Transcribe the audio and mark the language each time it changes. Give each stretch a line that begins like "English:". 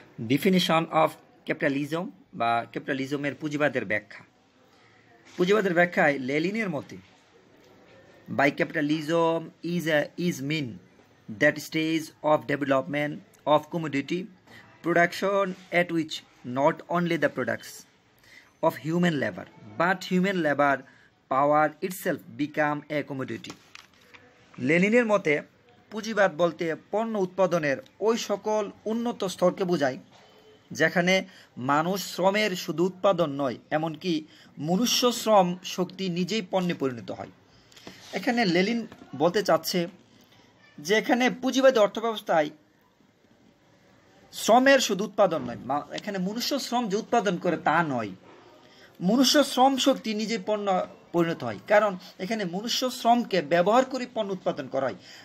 English: definition of capitalism
Bangla: বা ক্যাপিটালিজমের পুঁজিবাদের ব্যাখ্যা। পুঁজিবাদের ব্যাখ্যায় লেলিনের মতে,
English: By capitalism is mean that stage of development of commodity production at which not only the products of human labor but human labor power itself become a commodity.
Bangla: লেনিনের মতে পুঁজিবাদ বলতে পণ্য উৎপাদনের ওই সকল উন্নত স্তরকে বোঝায় যেখানে মানুষ শ্রমের শুধু উৎপাদন নয় এমনকি মনুষ্য শ্রম শক্তি নিজেই পণ্যে পরিণত হয়। এখানে লেনিন বলতে চাচ্ছে যে এখানে পুঁজিবাদী অর্থব্যবস্থায় শ্রমের শুধু উৎপাদন নয়, এখানে মনুষ্য শ্রম যে উৎপাদন করে তা নয়, মনুষ্য শ্রম শক্তি নিজেই পণ্য পরিণত হয়, কারণ এখানে মনুষ্য শ্রমকে ব্যবহার করে পণ্য উৎপাদন করা হয়।